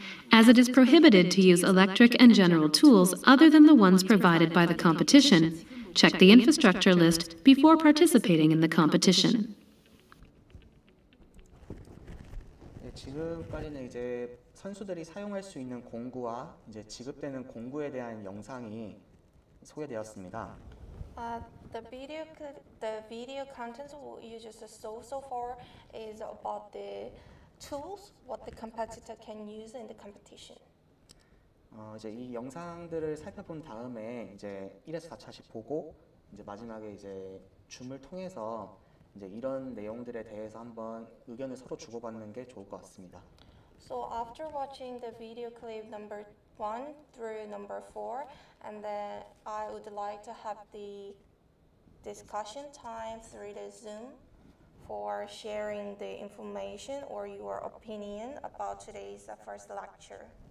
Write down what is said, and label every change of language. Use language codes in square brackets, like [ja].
[en] As it is prohibited to use electric and general tools other than the ones provided by the competition, check the infrastructure list before participating in the competition. [ko] 지금까지는 이제 선수들이 사용할 수 있는 공구와 이제 지급되는 공구에 대한 영상이 소개되었습니다. [en] The video contents you just saw so far is about the tools what the competitor can use in the competition. [ko] 이제 이 영상들을 살펴본 다음에 이제 1에서 4차시 보고 이제 마지막에 이제 줌을 통해서 이제 이런 내용들에 대해서 한번 의견을 서로 주고받는 게 좋을 것 같습니다. [en] So after watching the video clip number 1 through number 4 and then I would like to have the discussion time through the Zoom for sharing the information or your opinion about today's first lecture.